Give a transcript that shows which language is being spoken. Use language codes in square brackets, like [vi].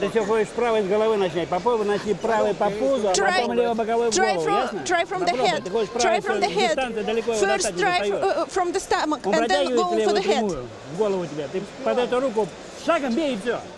[ru] Ты все хочешь с правой головы начать. Попробуй начать правой по пузу, а потом лево боковой в голову, ясно? [en] Try from the head. Try from the head. First try from the stomach and then go for the head. [ru] В голову тебя. Ты под эту руку шагом бей и все.